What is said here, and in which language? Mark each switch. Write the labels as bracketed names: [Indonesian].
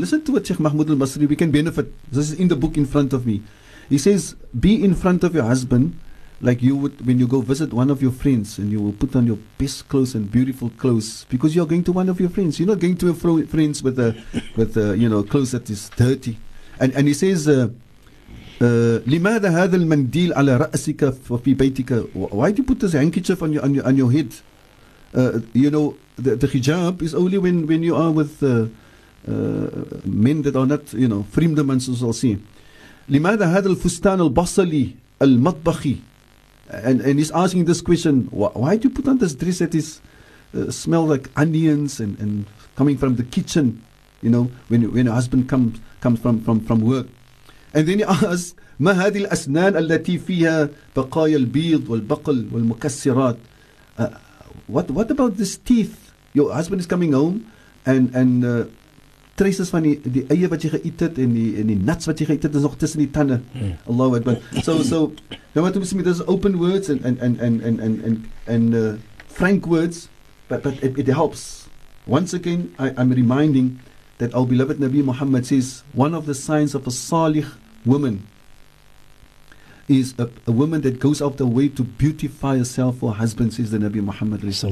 [English] Listen to what Sheikh Mahmoud al-Masri, we can benefit. This is in the book, in front of me. He says, be in front of your husband like you would when you go visit one of your friends, and you will put on your best clothes and beautiful clothes because you are going to one of your friends. You're not going to your friends with a clothes that is dirty. And he says, [Arabic] لماذا هذا المنديل على رأسك في بيتك. [English] Why do you put this handkerchief on your head? The hijab is only when you are with men that are not, you know, fremdemans, as I'll see. [Arabic] لماذا هذا الفستان البصلي المطبخي. [English] And he's asking this question, why do you put on this dress that is smell like onions and coming from the kitchen, you know, when your husband comes from work. And then he asks, [Arabic] ما هذه الأسنان التي فيها بقايا البيض والبقل والمكسرات. [English] What about these teeth? Your husband is coming home and traces [Afrikaans] van die eie wat jy geëet het en die nuts wat jy geëet het is nog tussen die tande. [Arabic] Allahu Akbar. [English] So you want to see me, there's open words and frank words, but it helps. Once again, I'm reminding that our beloved Nabi Muhammad says, one of the signs of a salih woman is a woman that goes out of the way to beautify herself for her husband, says the Nabi Muhammad.